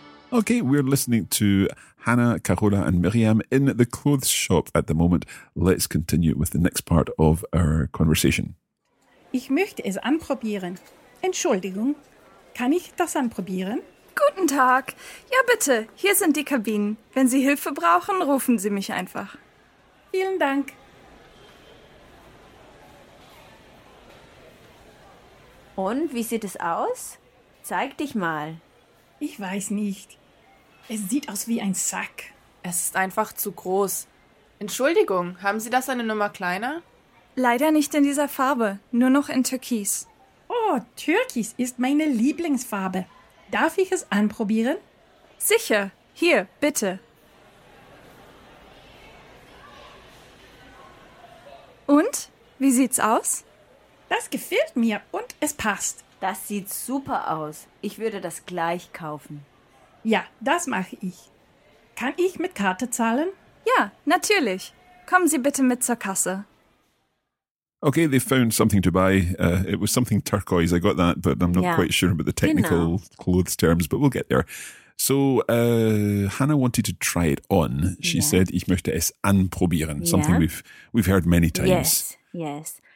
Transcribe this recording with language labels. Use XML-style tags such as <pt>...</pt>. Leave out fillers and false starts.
<en>Okay, we're listening to Hannah, Carola and Miriam in the clothes shop at the moment. Let's continue with the next part of our conversation.</en> <de>Ich möchte es anprobieren. Entschuldigung, kann ich das anprobieren? Guten Tag. Ja, bitte. Hier sind die Kabinen. Wenn Sie Hilfe brauchen, rufen Sie mich einfach. Vielen Dank. Und wie sieht es aus? Zeig dich mal. Ich weiß nicht. Es sieht aus wie ein Sack. Es ist einfach zu groß. Entschuldigung, haben Sie das eine Nummer kleiner? Leider nicht in dieser Farbe. Nur noch in Türkis. Oh, Türkis ist meine Lieblingsfarbe. Darf ich es anprobieren? Sicher. Hier, bitte. Und, wie sieht's aus? Das gefällt mir und es passt. Das sieht super aus. Ich würde das gleich kaufen. Ja, das mache ich. Kann ich mit Karte zahlen? Ja, natürlich. Kommen Sie bitte mit zur Kasse.</de> <en>Okay, they found something to buy. It was something turquoise, I got that, but I'm not quite sure about the technical clothes terms, but we'll get there. So, Hannah wanted to try it on. She said,</en> <de>ich möchte es anprobieren,</de> <en>something we've heard many times. Yes, yes.</en>